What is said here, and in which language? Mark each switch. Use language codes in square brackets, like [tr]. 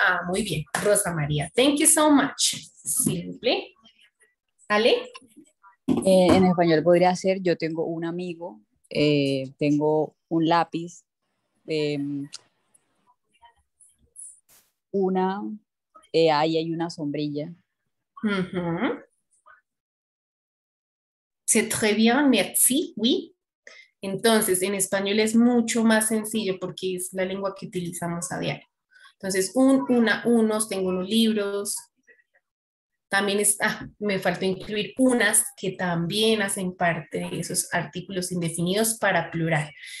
[es] Ah, muy bien, Rosa María. [en] Thank you so much. [es] Simple. ¿Ale? En español podría ser, yo tengo un amigo, tengo un lápiz, una, ahí hay una sombrilla. [fr] C'est très bien, merci, oui. [es] Entonces, en español es mucho más sencillo porque es la lengua que utilizamos a diario. Entonces, unos, tengo unos libros. También es, me faltó incluir unas que también hacen parte de esos artículos indefinidos para plural.